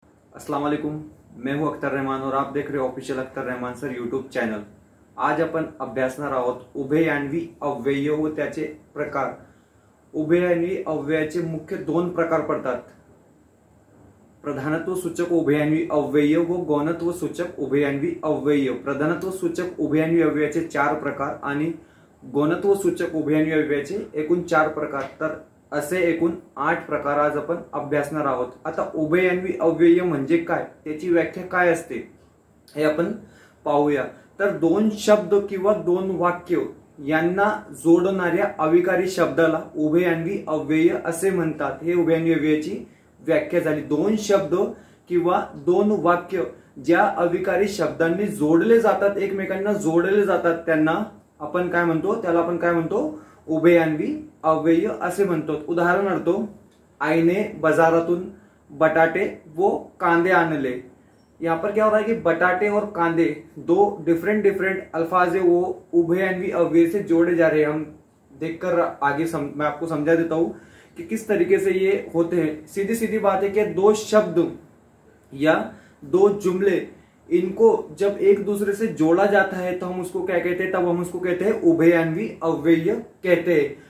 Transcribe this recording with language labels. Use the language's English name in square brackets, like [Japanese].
[Hindi] अस्सलाम वालेकुम, मैं हूं अख्तर रहमान और आप देख रहे हो official Akhtar Rahman sir YouTube channel. [Marathi] आज अपन अभ्यासणार आहोत उभयान्वयी अव्यय व त्याचे प्रकार। उभयान्वयी अव्ययाचे मुख्य दोन प्रकार पडतात, प्रधानत्व सूचक उभयान्वयी अव्यय व गौणत्व सूचक उभयान्वयी अव्यय। प्रधानत्व सूचक उभयान्वयी अव्ययाचे चार प्रकार आणि गौणत्व सूचक उभयान्वयी अव्ययाचे एकूण चार प्रकार, तर असे एकूण आठ प्रकार आज आपण अभ्यासणार आहोत। आता उभयान्वयी अव्यय म्हणजे काय, त्याची व्याख्या काय असते हे आपण पाहूया। तर दोन शब्द किंवा दोन वाक्य यांना जोडणाऱ्या अविकारी शब्दाला उभयान्वयी अव्यय असे म्हणतात, हे उभयान्वयी अव्ययाची व्याख्या झाली। दोन शब्द किंवा दोन वाक्य ज्या अविकारी शब्दांनी जोडले जातात, एकमेकांना जोडले जातात, त्यांना आपण काय म्हणतो, त्याला आपण काय म्हणतो, उभयान्वयी अव्यय असे म्हणतो। उदाहरणार्थ, आईने बाजारातून बटाटे व कांदे आणले। [Hindi] यहाँ पर क्या हो रहा है कि बटाटे और कांदे दो डिफरेंट डिफरेंट अल्फाज है, वो उभयान्वयी अव्यय से जोड़े जा रहे हैं। हम देखकर आगे मैं आपको समझा देता हूं कि किस तरीके से ये होते हैं। सीधी सीधी बात है कि दो शब्द या दो जुमले, इनको जब एक दूसरे से जोड़ा जाता है तो हम उसको क्या कहते हैं, तब हम उसको कहते हैं उभयान्वयी अव्यय कहते हैं।